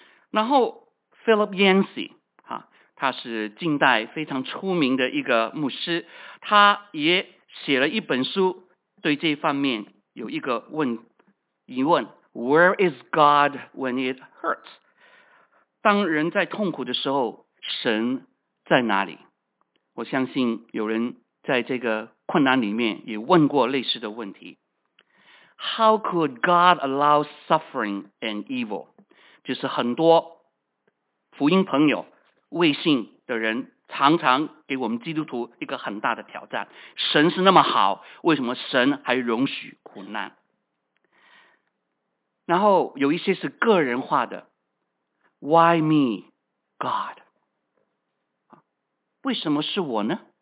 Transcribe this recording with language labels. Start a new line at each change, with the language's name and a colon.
Chinese: 然后 Philip Yancey， 他是近代非常出名的一个牧师，他也写了一本书，对这方面有一个疑问，
English: Where is God when it hurts？
Chinese: 当人在痛苦的时候，神在哪里？我相信有人在这个困难里面也问过类似的问题。
English: How could God allow suffering and evil？
Chinese: 就是很多福音朋友未信的人常常给我们基督徒一个很大的挑战，神是那么好，为什么神还容许苦难？然后有一些是个人化的，
English: Why me God，
Chinese: 为什么是我呢？